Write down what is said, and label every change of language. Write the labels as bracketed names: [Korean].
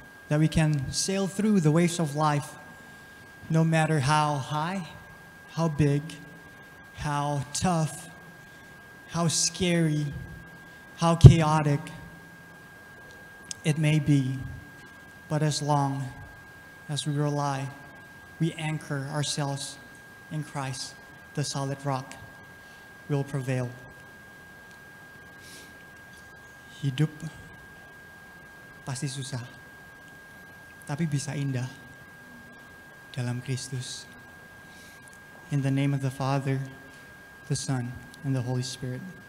[English] that we can sail through the waves of life, no matter how high, how big, how tough, how scary, how chaotic it may be. But as long as we rely, we anchor ourselves in Christ, the solid rock, will prevail. [Indonesian] Hidup pasti susah, tapi bisa indah dalam Kristus. [English] In the name of the Father, the Son, and the Holy Spirit.